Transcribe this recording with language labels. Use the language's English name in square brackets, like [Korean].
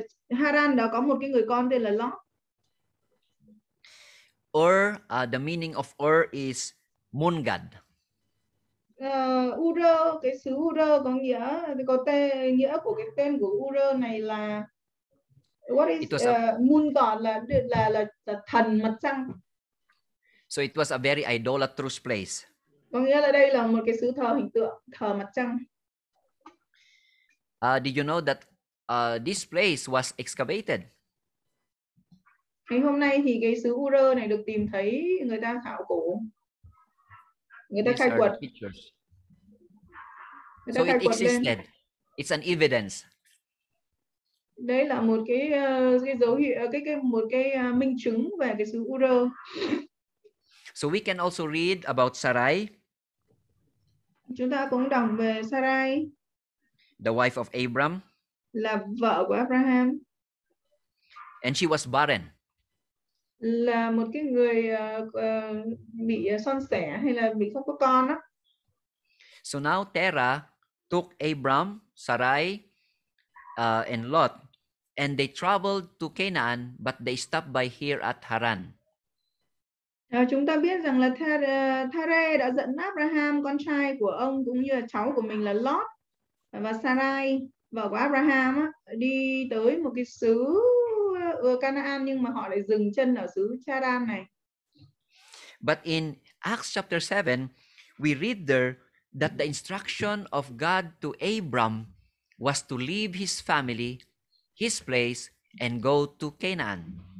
[Vietnamese] Haran đó có một cái người con tên là Lot. [English] Ur, the meaning of Ur is moon god. [Vietnamese] Ur, cái xứ Ur có nghĩa, có tên nghĩa của cái tên của Ur này là [English] moon god [Vietnamese] là thần mặt trăng. [English] So it was a very idolatrous place. [Vietnamese] Có nghĩa là đây là một cái xứ thờ hình tượng, thờ mặt trăng. [English] Did you know that this place was excavated? [Vietnamese] Ngày hôm nay thì cái xứ Ur này được tìm thấy, người ta khảo cổ. Người ta khai quật. [English] So it existed. It's an evidence. [Vietnamese] Đấy là một cái dấu hiệu, cái minh chứng về cái xứ Ur. [English] So we can also read about Sarai. [Vietnamese] Chúng ta cũng đọc về Sarai. [English] The wife of Abram. [Vietnamese] Là vợ của Abraham. [English] And she was barren. [Vietnamese] Là một cái người bị son sẻ hay là bị không có con á. [English] So now Terah took Abram, Sarai, and Lot, and they traveled to Canaan, but they stopped by here at Haran. [Vietnamese] Chúng ta biết rằng là Terah đã dẫn Abraham, con trai của ông cũng như là cháu của mình là Lot và Sarai, vợ của Abraham á, đi tới một cái xứ Canaan, nhưng mà họ lại dừng chân ở xứ Charan này. [English] But in Acts chapter 7, we read there that the instruction of God to Abram was to leave his family, his place, and go to Canaan.